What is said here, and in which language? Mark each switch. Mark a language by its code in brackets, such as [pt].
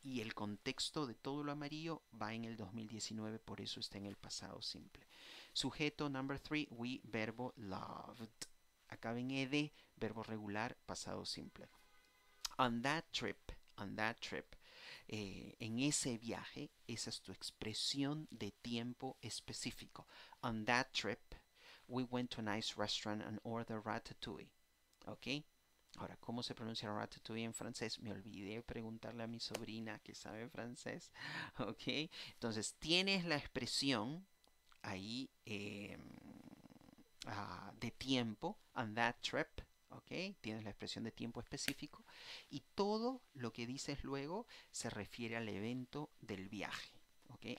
[es] Y el contexto de todo lo amarillo va en el 2019, por eso está en el pasado simple. Sujeto, [en] number three, [es] we, verbo, loved. Acaba en ed, verbo regular, pasado simple. [en] On that trip. [es] En ese viaje, esa es tu expresión de tiempo específico. [en] On that trip, we went to a nice restaurant and ordered ratatouille. [es] ¿Ok? Ahora, ¿cómo se pronuncia ratatouille en francés? Me olvidé preguntarle a mi sobrina que sabe francés. ¿Ok? Entonces, tienes la expresión ahí de tiempo. [en] On that trip. [es] Okay. Tienes la expresión de tiempo específico y todo lo que dices luego se refiere al evento del viaje, okay.